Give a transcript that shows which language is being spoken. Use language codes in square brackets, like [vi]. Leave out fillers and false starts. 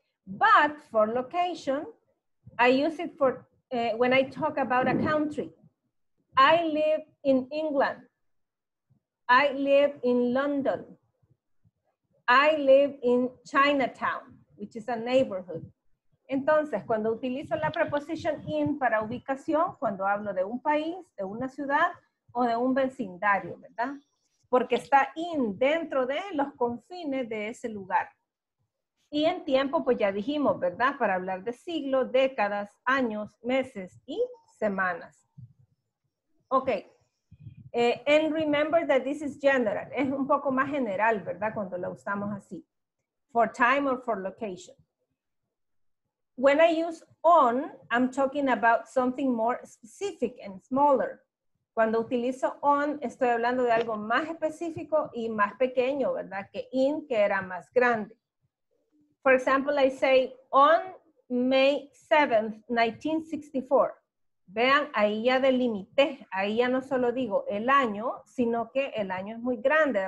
[en] But for location, I use it for when I talk about a country. I live in England. I live in London. I live in Chinatown, which is a neighborhood. [es] Entonces, cuando utilizo la preposición in para ubicación, cuando hablo de un país, de una ciudad o de un vecindario, ¿verdad? Porque está in, dentro de los confines de ese lugar. Y en tiempo, pues ya dijimos, ¿verdad? Para hablar de siglos, décadas, años, meses y semanas. [en] Ok. And remember that this is general. [es] Es un poco más general, ¿verdad? Cuando lo usamos así. [en] For time or for location. When I use on, I'm talking about something more specific and smaller. [es] Cuando utilizo on, estoy hablando de algo más específico y más pequeño, ¿verdad? Que in, que era más grande. [en] For example, I say, on May 7th, 1964. [es] Vean, ahí ya delimité. Ahí ya no solo digo el año, sino que el año es muy grande.